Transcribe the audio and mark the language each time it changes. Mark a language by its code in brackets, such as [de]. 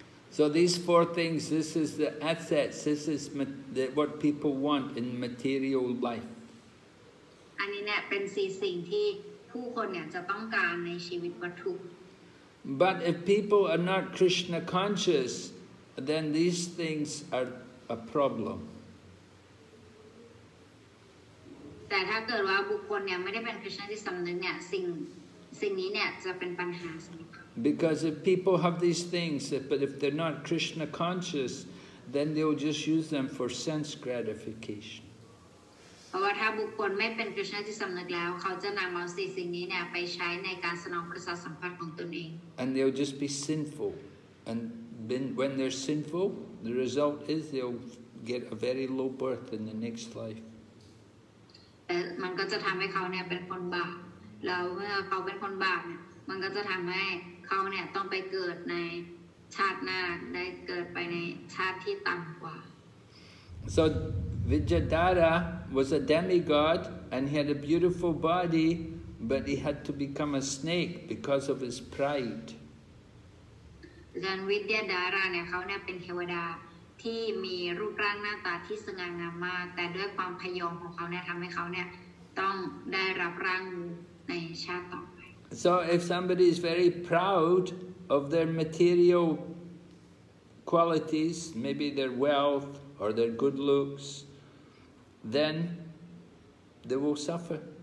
[en] So these four things, this is the assets, this is that what people want in material life. [th] อันนี้เนี่ยเป็นสี่สิ่งที่ผู้คนเนี่ยจะต้องการในชีวิตวัตถุ [en] But if people are not Krishna conscious, then these things are a problem. [th] แต่ถ้าเกิดว่าบุคคลเนี่ยไม่ได้เป็นคริสต์ชาติสำนึกเนี่ยสิ่งนี้เนี่ยจะเป็นปัญหาสำหรับ [en] Because if people have these things, but if they're not Krishna conscious, then they'll just use them for sense gratification. [th] เพราะว่าถ้าบุคคลไม่เป็นคริสต์ชาติสำนึกแล้วเขาจะนำเอาสิ่งนี้เนี่ยไปใช้ในการสนองประสาทสัมผัสของตนเอง [en] And they'll just be sinful, and when they're sinful, the result is they'll get a very low birth in the next life. [th] มันก็จะทำให้เขาเนี่ยเป็นคนบาปแล้วเมื่อเขาเป็นคนบาปเนี่ยมันก็จะทำให้เขาเนี่ยต้องไปเกิดในชาติหน้าได้เกิดไปในชาติที่ต่ำกว่า [en] SoVijayadara was a demigod and he had a beautiful body, but he had to become a snake because of his pride. Then [th] Vijayadara, เนี่ยเขาเนี่ยเป็นเทวดาที่มีรูปร่างหน้าตาที่สง่างามมากแต่ด้วยความพยองของเขาเนี่ยทำให้เขาเนี่ยต้องได้รับร่างในชาติต่อไป [en] So if somebody is very proud of their material qualities, maybe their wealth. Or their good looks, then they will suffer.